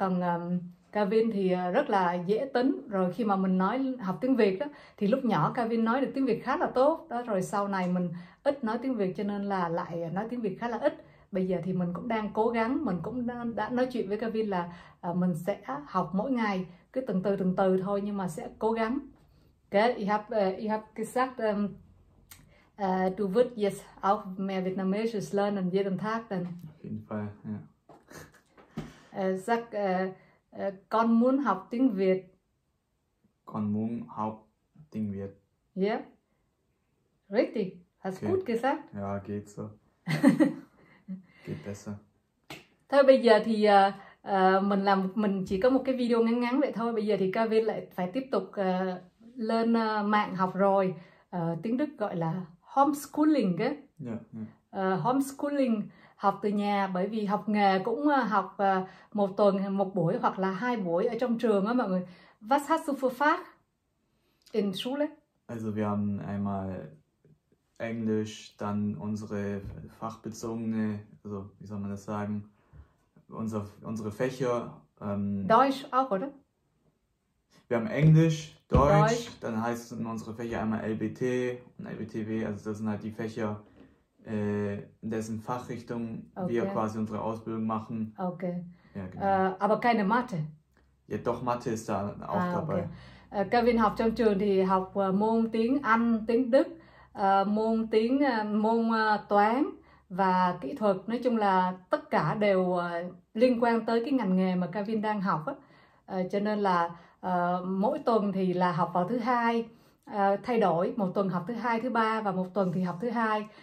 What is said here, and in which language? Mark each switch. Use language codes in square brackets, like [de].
[vi] Còn Kevin thì rất là dễ tính, rồi khi mà mình nói học tiếng Việt đó thì lúc nhỏ Kevin nói được tiếng Việt khá là tốt đó, rồi sau này mình ít nói tiếng Việt cho nên là lại nói tiếng Việt khá là ít. Bây giờ thì mình cũng đang cố gắng, mình cũng đã nói chuyện với Kevin là mình sẽ học mỗi ngày cứ từng từ thôi, nhưng mà sẽ cố gắng. [de] Okay, [en] you have [de] gesagt du wirst jetzt auch mehr Vietnamesisch lernen jeden Tag dann. Fall, [vi] Con muốn học tiếng Việt. Còn muốn học tiếng Việt. [de] Yeah. Richtig. Hast Okay. gut gesagt. Ja, geht so. Geht besser. [vi] Thôi bây giờ thì mình chỉ có một cái video ngắn ngắn vậy thôi. Bây giờ thì Kevin lại phải tiếp tục lên mạng học rồi. Tiếng Đức gọi là homeschooling ấy. Homeschooling, học từ nhà, bởi vì học nghề cũng học một tuần một buổi hoặc là hai buổi ở trong trường á mọi người. [de] Was hast du für Fach in Schule? Also wir haben einmal Englisch, dann unsere fachbezogene, also wie soll man das sagen, unsere Fächer. Deutsch auch, oder? Wir haben Englisch, Deutsch. Deutsch, dann heißt es in unsere Fächer einmal LBT und LBTW, also das sind halt die Fächer, dessen Fachrichtung wir Okay. quasi unsere Ausbildung machen. Okay. Ja, genau. Aber keine Mathe. Ja, doch, Mathe ist da auch Ah, okay. dabei. [vi] Kevin học trong trường thì học môn tiếng Anh, tiếng Đức, môn tiếng môn toán và kỹ thuật, nói chung là tất cả đều liên quan tới cái ngành nghề mà Kevin đang học á. Cho nên là mỗi tuần thì là học vào thứ hai, thay đổi một tuần học thứ hai, thứ ba và một tuần thì học thứ hai.